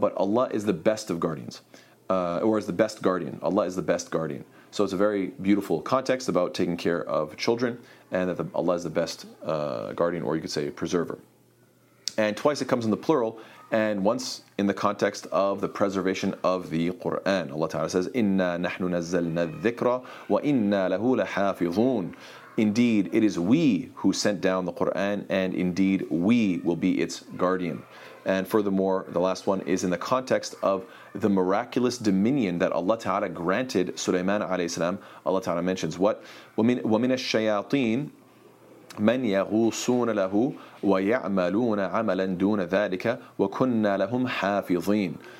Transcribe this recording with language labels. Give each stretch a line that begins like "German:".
English: But Allah is the best of guardians, or is the best guardian. Allah is the best guardian. So it's a very beautiful context about taking care of children, and that Allah is the best guardian, or you could say preserver. And twice it comes in the plural, and once in the context of the preservation of the Qur'an. Allah Ta'ala says,
Arabic: إِنَّا نَحْنُ نَزَّلْنَا الذِّكْرَ وَإِنَّا لَهُ لَحَافِظُونَ.
English: Indeed, it is we who sent down the Qur'an, and indeed we will be its guardian. And furthermore, the last one is in the context of the miraculous dominion that Allah Ta'ala granted Sulaiman alayhi salam. Allah Ta'ala mentions what?
Arabic: وَمِنَ الشَّيَاطِينَ مَنْ يَغُوصُونَ لَهُ وَيَعْمَلُونَ عَمَلًا دُونَ ذَٰلِكَ وَكُنَّا لَهُمْ حَافِظِينَ.